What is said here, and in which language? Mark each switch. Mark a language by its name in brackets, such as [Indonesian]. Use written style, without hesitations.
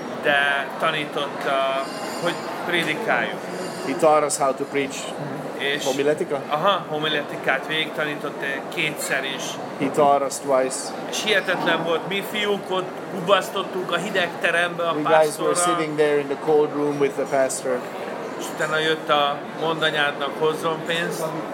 [Hungarian] De tanított, hogy prédikáljuk. [English] He taught us how to preach. [Hungarian] És homiletika? Aha, homiletikát végig tanított kétszer is. [English] He taught us twice. [Hungarian] És hihetetlen volt, mi fiúk ott gubasztottunk a hideg terembe a pásztorral. [English] We guys were sitting there in the cold room with the pastor. [Hungarian] És utána jött a mondanyádnak hozzon pénzt.